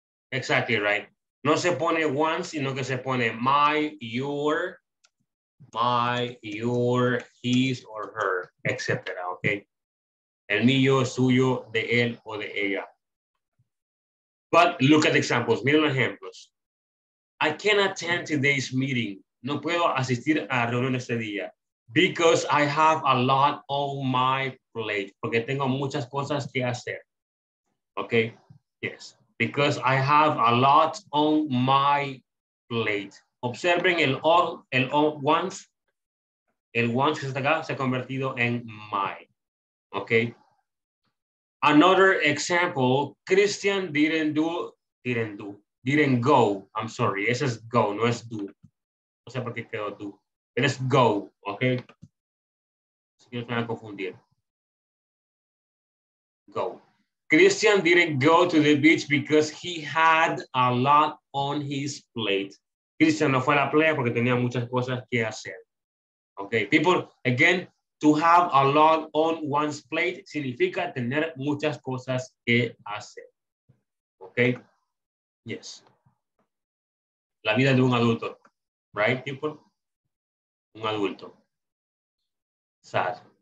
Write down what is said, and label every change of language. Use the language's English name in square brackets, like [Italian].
[English] Exactly right. [Spanish] No se pone once, sino que se pone my, your, his or her, etc. Okay. El mío, suyo, de él o de ella. [English] But look at examples. [Spanish] Miren los ejemplos. [English] I can't attend today's meeting. [Spanish] No puedo asistir a la reunión este día. [English] Because I have a lot on my plate. [Spanish] Porque tengo muchas cosas que hacer. Okay? Yes. [English] Because I have a lot on my plate. [Spanish] Observen el once que está acá se ha convertido en my. [English] Okay? Another example, Christian didn't go. I'm sorry, [Spanish] ese es go, no es do. No sé por qué quedó do. [English] It is go, okay? [Spanish] Así que no se van a confundir. [English] go. Christian didn't go to the beach because he had a lot on his plate. [Spanish] Christian no fue a la playa porque tenía muchas cosas que hacer. [English] Okay, people, again, to have a lot on one's plate [Spanish] significa tener muchas cosas que hacer. Okay, yes. La vida de un adulto, [English] right, people? [Spanish] Un adulto. [English] Sad.